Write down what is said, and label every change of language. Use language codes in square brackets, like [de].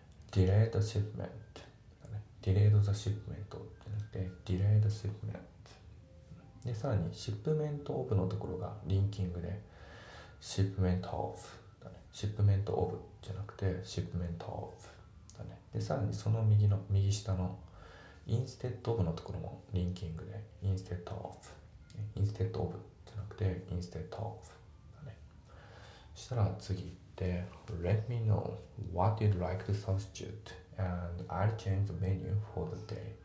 [en] Delayed shipment Delayed the shipment [ja] ってなって [en] Delayed shipment [ja] でさらにシップメントオブのところがリンキングでシップメントオフだね。シップメントオブじゃなくてシップメントオフだね。でさらにその右の右下のインステッドオブのところもリンキングでインステッドオフ、インステッドオブじゃなくてインステッドオフだね。そしたら次で [en] Let me know what you'd like to substitute and I'll change the menu for the day。